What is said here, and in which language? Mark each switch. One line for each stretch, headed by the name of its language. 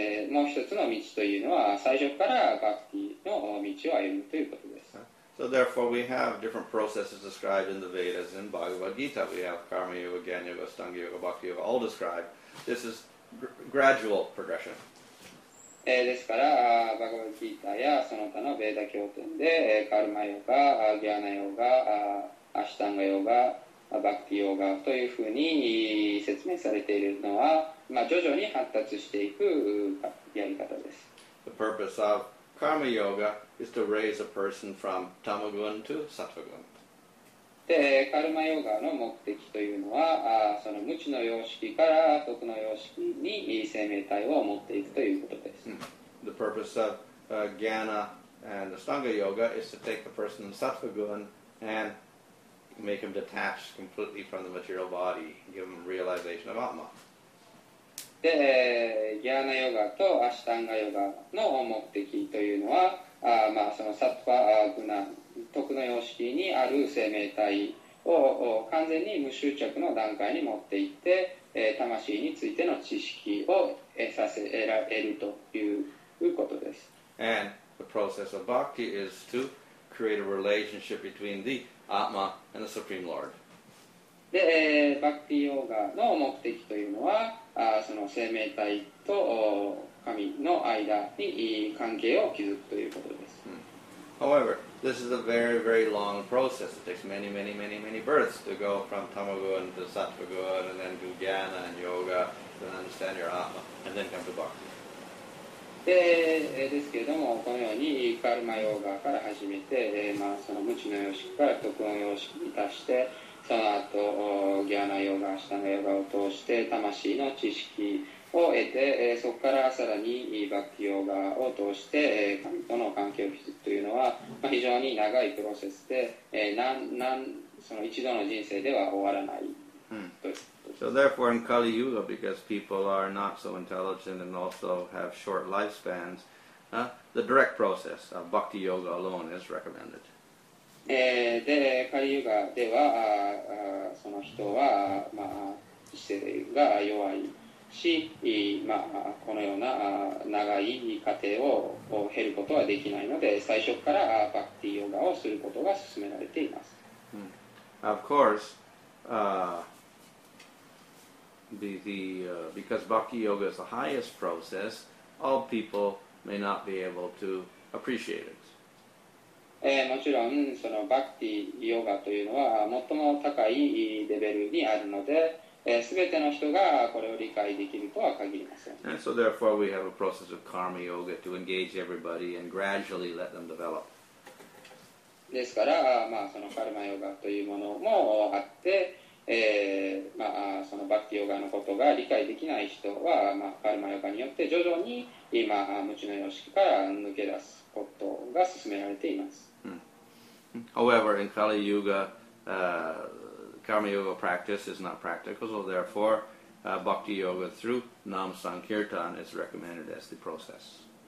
Japanese: もう一つの道というのは、最初からバクティの道を歩むということです。
English: So therefore we have different processes described in the Vedas and Bhagavad Gita. We have karma yoga, jnana yoga, stanga yoga, bhakti yoga, all described. This is gradual progression.
Japanese: ですから、バガバッギータやその他のベーダ経典で、カルマヨガ、ジャーナヨガ、アシタンガヨガ、バクティヨガというふうに説明されているのは、まあ、徐々に発達していくやり方です。
English: The purpose of karma yoga is to raise a person from tamagun to sattvagun.
Japanese: で、カルマヨガの目的というのは、その無知の様式から徳の様式に生命体を持っていくということです。
English: The purpose of jnana and astanga yoga is to take the person from sattvagun andmake him detached completely from the material body, give him realization of Atma.
Japanese: で、ギャーナヨガとアシタンガヨガの目的というのは、まあ、そのサッパグナ、徳の様式にある生命体を完全に無執着の段階に持っていって、魂についての知識を得るということです。
English: And the process of bhakti is to create a relationship between theAtma and the Supreme Lord.
Japanese: で、バクティヨガの目的というのは、その生命体と神の間に関係を築くということです。 Hmm.
English: However, this is a very, very long process. It takes many, many, many, many births to go from tamagun to sattvagun and then do jnana and yoga to understand your Atma and then come to bhakti.
Japanese: ですけれども、このようにカルマヨーガから始めて、まあ、その無知の様式から徳の様式に達して、その後ギャーナヨーガ、下のヨーガを通して魂の知識を得て、そこからさらにバクティヨーガを通して神との関係を築くというのは、まあ、非常に長いプロセスで、その一度の人生では終わらないと。
English: So therefore in Kali Yuga, because people are not so intelligent and also have short lifespans, the direct process of bhakti yoga alone is recommended.
Japanese: で、Kali Yuga では、その人は、まあ、知性が弱いし、まあ、このような長い過程を経ることはできないので、最初からバクティヨガをすることが勧められています。
English: Of course, because bhakti yoga is the highest process, all people may not be able to appreciate it.
Japanese: もちろんそのバクティヨガというのは最も高いレベルにあるので、全ての人がこれを理解できるとは限りません。
English: And so therefore we have a process of karma yoga to engage everybody and gradually let them develop.
Japanese: ですから、まあ、そのカルマヨガというものもあって、まあ、そのバクティヨガのことが理解できない人は、まあ、カルマヨガによって徐々に今、まあ、無知の様式から抜け出すことが進められています。
English: Hmm. However, in Kali Yuga, Karma Yoga practice is not practical, so therefore, Bhakti Yoga through Nam Sankirtan is recommended as the process.